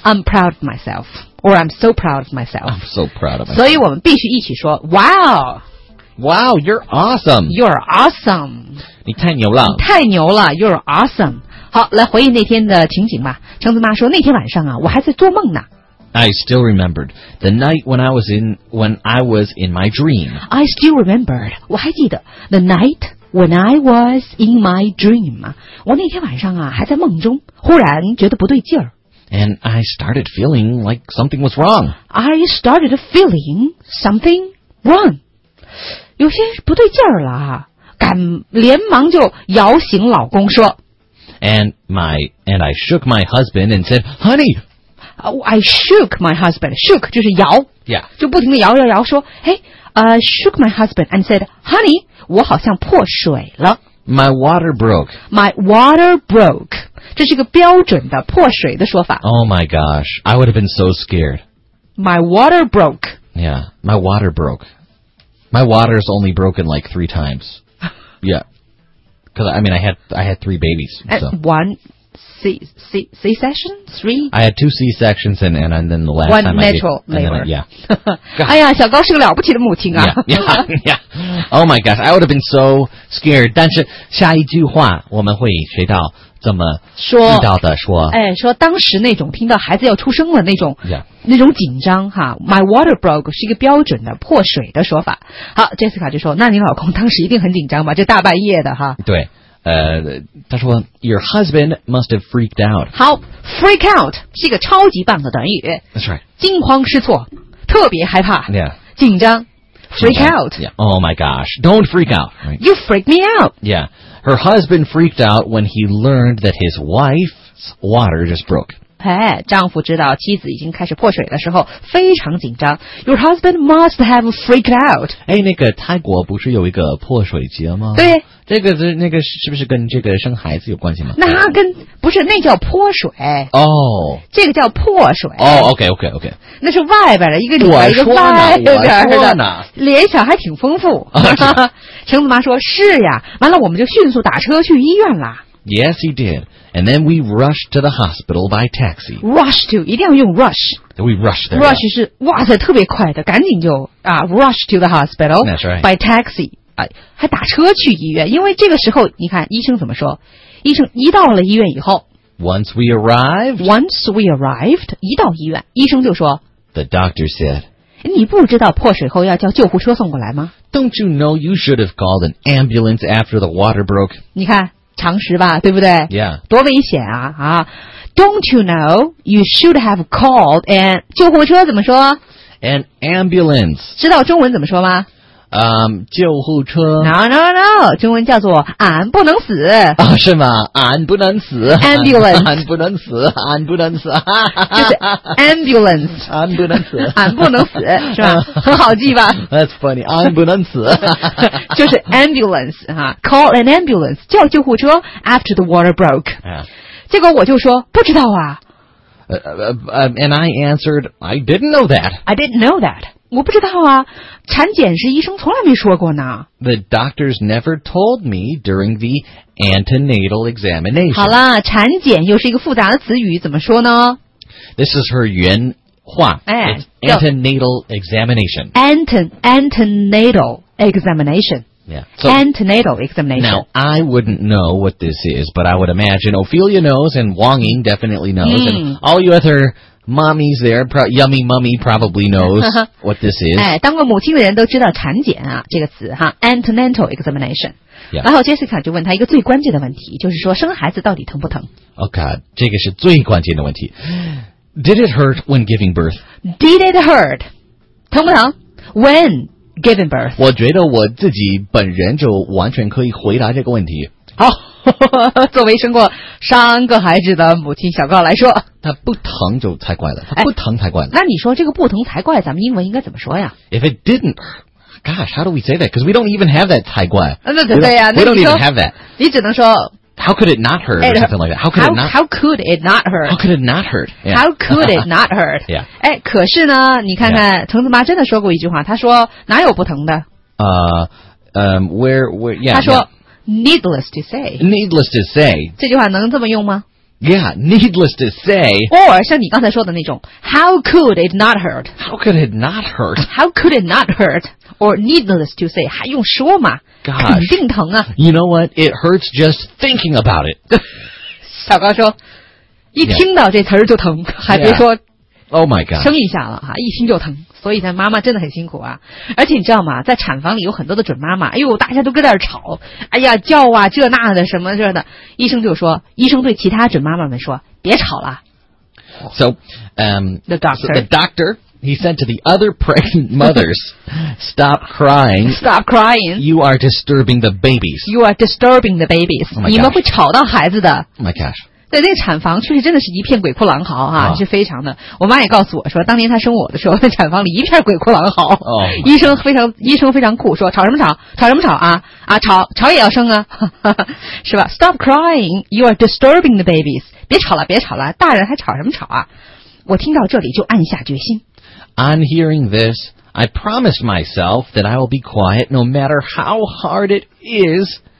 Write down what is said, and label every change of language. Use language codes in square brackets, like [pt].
[en] I'm proud of myself. Or I'm so proud of myself. I'm so proud of myself. [zh] 所以我们必须一起说 wow. [en] Wow, you're awesome. You're awesome. [zh] 你太牛了。你太牛了。 [en] You're awesome. [zh] 好来回忆那天的情景吧。橙子妈说那天晚上啊我还在做梦呢。 [en] I still remembered the night when I was in my dream. I still remembered. [zh] 我还记得 [en] the night when I was in my dream. [zh] 我那天晚上啊还在梦中忽然觉得不对劲儿。 [en] And I started feeling like something was wrong. I started feeling something wrong. [zh] 有些不对劲儿了啊赶连忙就摇醒老公说。 [en] And I shook my husband and said, honey, I shook my husband. Shook [zh] 就是摇 [en] Yeah [zh] 就不停地摇摇摇说 [en] Hey, shook my husband and said, Honey, [zh] 我好像破水了 [en] My water broke. My water broke. [zh] 这是一个标准的破水的说法 [en] Oh my gosh, I would have been so scared. My water broke. Yeah, my water broke. My water's only broken like 3 times. Yeah. Because, I mean, I had 3 babies.、So. C-section? I had 2 C-sections and then the last one time natural I did. One natural labor. Yeah. [zh] 哎呀小高是个了不起的母亲啊。 [en] Yeah. Oh my gosh, I would have been so scared. [zh] 但是下一句话我们会学到怎么说知道的说。哎说当时那种听到孩子要出生了那种、 [en] yeah. [zh] 那种紧张哈 , [en] my water broke [zh] 是一个标准的破水的说法。好 ,Jessica 就说那你老公当时一定很紧张吧就大半夜的哈。对。他说 [en] ,your husband must have freaked out. [zh] 好 ,freak out 是一个超级棒的短语。 [en] That's right. [zh] 惊慌失措特别害怕。 [en] Yeah. [zh] 紧张。Freak out. [en] Yeah. Oh my gosh. Don't freak out.、Right. You freak me out. Yeah. Her husband freaked out when he learned that his wife's water just broke. [zh] 哎丈夫知道妻子已经开始破水的时候非常紧张。 [en] Your husband must have freaked out. [zh] 哎那个泰国不是有一个破水节吗对。这个是那个是不是跟这个生孩子有关系吗？那跟不是，那叫泼水哦。这个叫破水哦。OK。那是外边的一个里边一个外边的。我说呢，联想还挺丰富。橙子妈说：“是呀。” 完了，我们就迅速打车去医院啦。 [en] Yes, he did. And then we rushed to the hospital by taxi. [zh] Rush to 一定要用 rush. [en] We rushed there. [zh] Rush 是哇塞，特别快的，赶紧就啊 [en] rush to the hospital. That's right. By taxi. [zh] 还打车去医院因为这个时候你看医生怎么说医生一到了医院以后 [en] Once we arrived [zh] 一到医院医生就说 [en] The doctor said [zh] 你不知道破水后要叫救护车送过来吗 [en] Don't you know you should have called an ambulance after the water broke [zh] 你看常识吧对不对 [en] Yeah [zh] 多危险啊啊 [en] Don't you know you should have called an [zh] 救护车怎么说 [en] An ambulance [zh] 知道中文怎么说吗救护车 No 中文叫做俺不能死、啊、是吗俺不能死 [en] Ambulance [zh] 俺不能死俺不能死就是 Ambulance 俺不能死俺不能死是吧很好记吧 [en] That's funny [zh] 俺不能死就是 Ambulance、 [en] Call an ambulance [zh] 叫救护车 [en] After the water broke、 [zh] 结果我就说不知道啊 [en] And I answered I didn't know that [zh] 我不知道啊产检是医生从来没说过呢 [en] The doctors never told me during the antenatal examination [zh] 好啦产检又是一个复杂的词语怎么说呢 [en] This is her [zh] 原话、哎、 [en] It's antenatal examination Antenatal examination Yeah. So, antenatal examination. Now, I wouldn't know what this is, but I would imagine Ophelia knows and Wang Ying definitely knows、 mm. and all you other mommies there, yummy mummy probably knows what this is. [zh] 哎，当过母亲的人都知道产检啊这个词哈 antenatal examination. [en] Yeah. [zh] 然后 Jessica 就问他一个最关键的问题就是说生孩子到底疼不疼 [en] Oh God, [zh] 这个是最关键的问题。 [en] Did it hurt when giving birth? Did it hurt? [zh] 疼不疼 [en] When? Given birth. [zh] 我觉得我自己本人就完全可以回答这个问题。好、oh, 作为生过3个孩子的母亲小高来说。他不疼就才怪了。他不疼才怪了、哎。那你说这个不疼才怪咱们英文应该怎么说呀 [en] ?If it didn't, gosh, how do we say that? Because we don't even have that 才怪。 [zh] 那对对呀、啊、 [en] we don't even have that. [zh] 你只能说 [en] How could it not hurt? Or something like that. How could it not hurt? Yeah. How could it not hurt? Yeah. [zh] 哎，可是呢，你看看，橙子妈真的说过一句话，她说哪有不疼的？ [en] Where, yeah. [zh] 她说 [en] needless to say. Needless to say. [zh] 这句话能这么用吗？ [en] Yeah, needless to say. Or, [zh] 像你刚才说的那种, [en] how could it not hurt? How could it not hurt? How could it not hurt? Or needless to say, [zh] 还用说吗? [en] Gosh, [zh] 肯定疼啊。 [en] You know what? It hurts just thinking about it. [zh] 小高说,一听到这词儿就疼,还别说。 [en] Oh my God. [zh] 生一下了,一听就疼。所以呢妈妈真的很辛苦啊。而且你知道吗,在产房里有很多的准妈妈,哎呦,大家都跟在那儿吵,哎呀,叫啊,这那的,什么这的。医生就说,医生对其他准妈妈们说,别吵了。 [en] So, the doctor. So the doctor, he said to the other pregnant mothers, stop crying. Stop crying. You are disturbing the babies. You are disturbing the babies.、 Oh、 [zh] 你们会吵到孩子的。 [en] Oh my gosh. [zh] 对，那个产房确实真的是一片鬼哭狼嚎哈、啊， oh. 是非常的。我妈也告诉我说，当年她生我的时候，在产房里一片鬼哭狼嚎。 [en] Oh、 [zh] 医生非常，医生非常酷，说吵什么吵，吵什么吵啊啊，吵吵也要生啊，是吧 ？ [en] Stop crying, you are disturbing the babies. [zh] 别吵了，别吵了，大人还吵什么吵啊？我听到这里就暗下决心。 [en] On hearing this, I promised myself that I will be quiet no matter how hard it is.